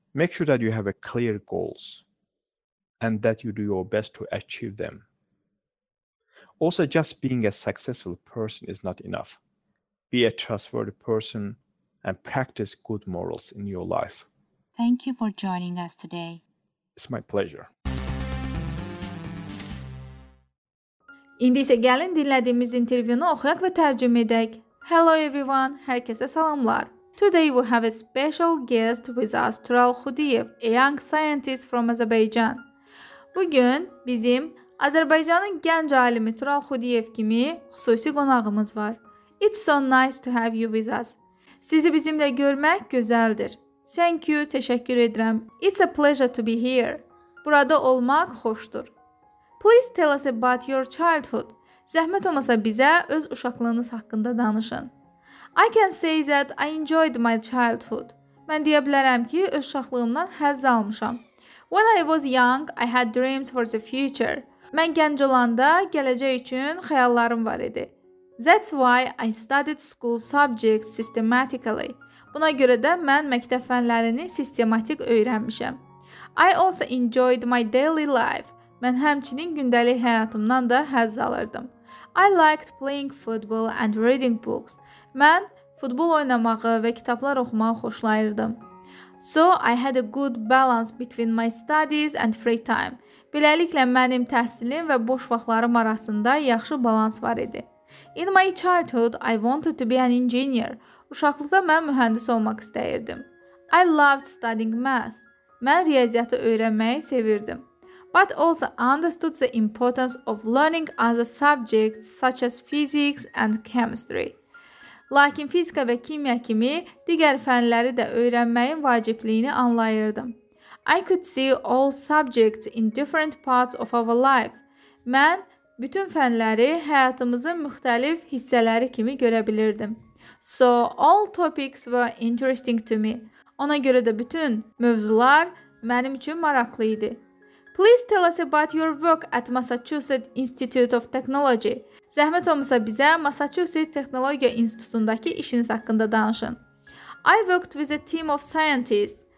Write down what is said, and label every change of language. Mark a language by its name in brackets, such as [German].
[English] Make sure that you have a clear goals and that you do your best to achieve them. Also, just being a successful person is not enough. Be a trustworthy person and practice good morals in your life. Thank you for joining us today. It's my pleasure. [Azerbaijani] İndi isə gəlin dinlədiyimiz intervyunu oxuyaq və tərcümə edək. [English] Hello everyone, [Azerbaijani] hərkəsə salamlar. [English] Today we have a special guest with us, Tural Xudiyev, a young scientist from Azerbaijan. [Azerbaijani] Bugün bizim Azərbaycanın gənc alimi Tural Xudiyev kimi xüsusi qonağımız var. [English] It's so nice to have you with us. [Azerbaijani] Sizi bizimlə görmək gözəldir. [English] Thank you, [Azerbaijani] təşəkkür edirəm. [English] It's a pleasure to be here. [Azerbaijani] Burada olmaq xoşdur. [English] Please tell us about your childhood. [Azerbaijani] Zəhmət olmasa bizə öz uşaqlığınız haqqında danışın. [English] I can say that I enjoyed my childhood. [Azerbaijani] Mən deyə bilərəm ki, öz uşaqlığımdan həzz almışam. [English] When I was young, I had dreams for the future. [Azerbaijani] Mən gənc olanda gələcək üçün xəyallarım var idi. [English] That's why I studied school subjects systematically. [Azerbaijani] Buna görə də mən məktəb fənlərini sistematik öyrənmişəm. [English] I also enjoyed my daily life. [Azerbaijani] Mən həmçinin gündəlik həyatımdan da həzz alırdım. [English] I liked playing football and reading books. [Azerbaijani] Mən futbol oynamağı və kitablar oxumağı xoşlayırdım. [English] So I had a good balance between my studies and free time. [Azerbaijani] Beləliklə, mənim təhsilim və boş vaxtlarım arasında yaxşı balans var idi. [English] In my childhood, I wanted to be an engineer. [Azerbaijani] Uşaqlıqda mən mühəndis olmaq istəyirdim. [English] I loved studying math. [Azerbaijani] Mən riyaziyyatı öyrənməyi sevirdim. [English] But also understood the importance of learning other subjects such as physics and chemistry. [Azerbaijani] Lakin fizika və kimya kimi digər fənləri də öyrənməyin vacibliyini anlayırdım. [English] I could see all subjects in different parts of our life. [Azerbaijani] Mən bütün fənləri həyatımızın müxtəlif hissələri kimi görə bilirdim. [English] So all topics were interesting to me. [Azerbaijani] Ona görə də bütün mövzular mənim üçün maraqlı idi. [English] Please tell us about your work at Massachusetts Institute of Technology. [Azerbaijani] Zəhmət olmasa bizə Massachusetts Texnologiya İnstitutundakı işiniz haqqında danışın. [English] I worked with a team of scientists.